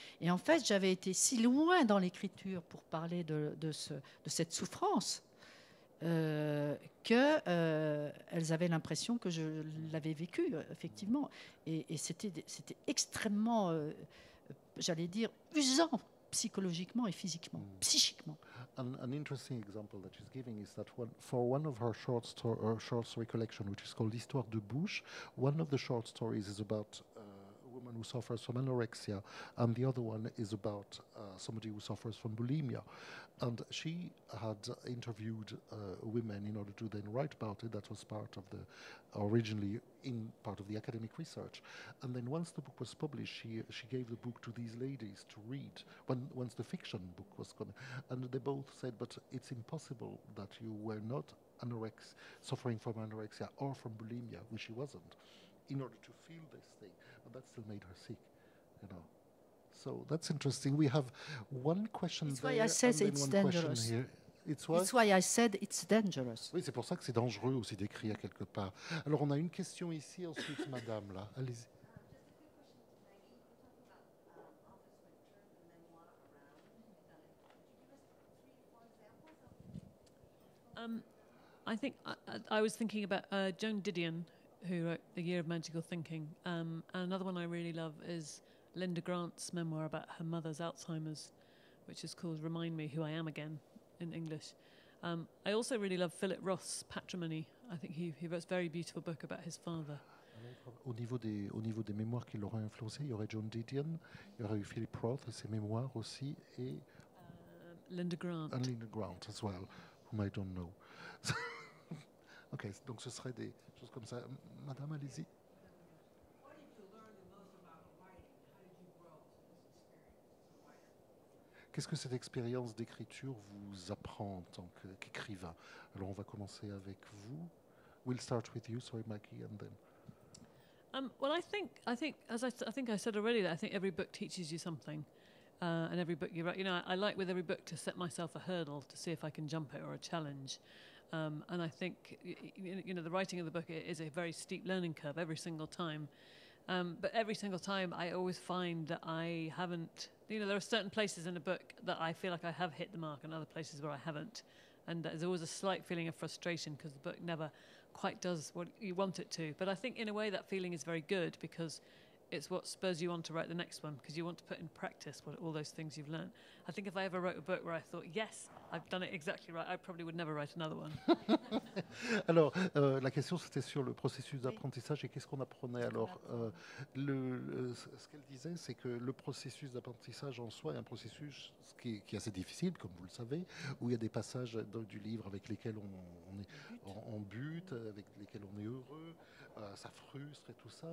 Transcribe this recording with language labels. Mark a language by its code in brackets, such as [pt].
[fr] Et en fait, j'avais été si loin dans l'écriture pour parler de cette souffrance qu'elles avaient l'impression que je l'avais vécu, effectivement. Et c'était extrêmement, j'allais dire, usant psychologiquement et physiquement, psychiquement. [en] An interesting example that she's giving is that for one of her short story collection, which is called Histoire de bouche, one of the short stories is about a woman who suffers from anorexia, and the other one is about somebody who suffers from bulimia. And she had interviewed women in order to then write about it. That was originally part of the academic research. And then once the book was published, she gave the book to these ladies to read, once the fiction book was coming. And they both said, but it's impossible that you were not suffering from anorexia or from bulimia, which she wasn't, in order to feel this thing. But that still made her sick, you know. So that's interesting. We have one question there and then one question here. It's why I said it's dangerous. [fr] Oui, c'est pour ça que c'est dangereux aussi d'écrire quelque part. Alors, on a une question ici, ensuite, madame, là. Allez-y. [en] I think I was thinking about Joan Didion, who wrote The Year of Magical Thinking. And another one I really love is Linda Grant's memoir about her mother's Alzheimer's, which is called Remind Me Who I Am Again in English. I also really love Philip Roth's Patrimony. I think he wrote a very beautiful book about his father. [fr] Au niveau des mémoires qui l'auraient influencé, il y aurait Joan Didion, il y aurait eu Philip Roth, ses mémoires aussi, et Linda Grant. [en] And Linda Grant as well, whom I don't know. [fr] OK, donc ce serait des choses comme ça. Madame, allez-y. Qu'est-ce que cette expérience d'écriture vous apprend en tant qu'écrivain? Alors, on va commencer avec vous. [en] We'll start with you, sorry, Maggie, and then. Well, I think, as I said already, I think every book teaches you something. And every book you write, you know, I like with every book to set myself a hurdle to see if I can jump it or a challenge. And I think, you know, the writing of the book is a very steep learning curve every single time. But every single time, I always find that I haven't, you know, there are certain places in the book that I feel like I have hit the mark and other places where I haven't. And there's always a slight feeling of frustration because the book never quite does what you want it to. But I think in a way that feeling is very good because it's what spurs you on to write the next one because you want to put in practice what all those things you've learned. I think if I ever wrote a book where I thought, yes, I've done it exactly right, I probably would never write another one. [fr] Alors, la question, c'était sur le processus d'apprentissage et qu'est-ce qu'on apprenait. Alors, ce qu'elle disait, c'est que le processus d'apprentissage en soi est un processus qui est assez difficile, comme vous le savez, où il y a des passages du livre avec lesquels on bute, avec lesquels on est heureux, ça frustre et tout ça.